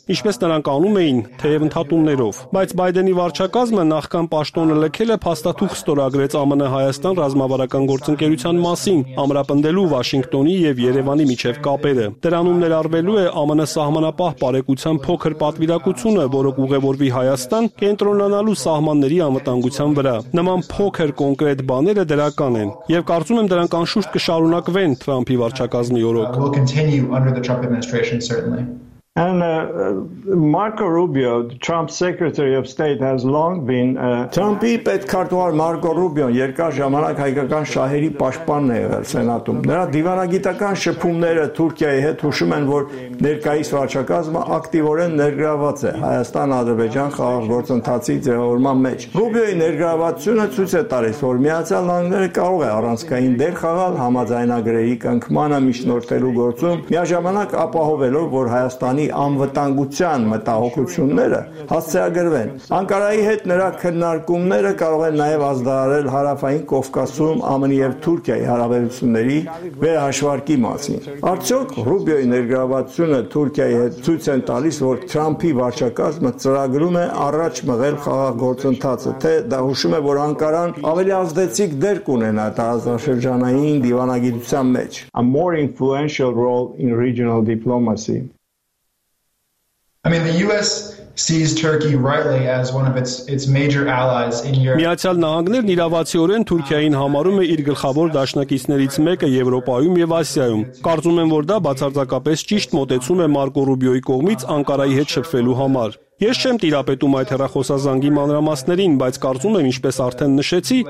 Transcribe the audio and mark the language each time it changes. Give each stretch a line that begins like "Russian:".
Armenian: ինչպես նրանք անում էին, թեև ընդհատումներով։ Բայց Բայդենի վարչակազմը նախքան պաշտոնը լքելը փաստաթուղթ ստորագրեց ԱՄՆ Հայաստան ռազմավարական գործընկերության մասին, ամրապնդելու Վաշինգտոնի և Երևանի միջև կապերը։ Դրանում ներառվելու է ԱՄՆ սահմանապահ բարեկության փոքր պատվիրակությունը, որը կուղևորվի Հայաստան կենտրոնանալու սահմանների անվտանգության վրա։ Նման փոքր կոնկրետ բաները դրական են, և կարծում եմ դրանք անշուշտ կշարունակվեն Թրամփի վարչակազմի օրոք։
English: And Marco Rubio, Trump's Secretary of State, has long been
Armenian: Trump-ի պետքարտուհար Marco Rubio-ն երկար ժամանակ հայկական շահերի պաշտպանն է եղել Սենատում։ Նրա դիվանագիտական շփումները Թուրքիայի հետ հուշում են, որ ներկայիս վարչակազմը ակտիվորեն ներգրավված է Հայաստան-Ադրբեջան խաղաղործընթացի ձևավորման մեջ։ Rubio-ի ներգրավվածությունը ցույց է տալիս, որ Միացյալ Նահանգները կարող է առանցքային դեր խաղալ համաձայնագրերի կնքմանը միջնորդելու գործում, միաժամանակ ապահովելով, որ Հայաստան անվտանգության մտահոգությունները հասցեագրվեն։ Անկարայի հետ նրա քննարկումները կարող են նաև ազդարարել հարավային Կովկասում ԱՄՆ-ի և Թուրքիայի հարաբերությունների վերահաշվարկի մասին։ Արդյոք Ռուբիոյի ներգրավվածությունը Թուրքիայի հետ ցույց են տալիս, որ Թրամփի վարչակազմը ծրագրում է առաջ մղել խաղաղործընթացը, թե դա հուշում է, որ Անկարան ավելի ազդեցիկ դեր կունենա տարածաշրջանային դիվանագիտության մեջ։
English: A more influential role in regional diplomacy. I mean, the U.S. sees Turkey rightly as one of its major allies in Europe.
Armenian: Միացյալ Նահանգներն իրավացիորեն Թուրքիային համարում է իր գլխավոր դաշնակիցներից մեկը Եվրոպայում եւ Ասիայում։ Կարծում եմ, որ դա բացարձակապես ճիշտ մոտեցում է Մարկո Ռուբիոյի կողմից Անկարայի հետ շփվելու համար։ Ես չեմ տիրապետում այդ հեռախոսազանգի մանրամասներին, բայց կարծում եմ, ինչպես արդեն նշեցի,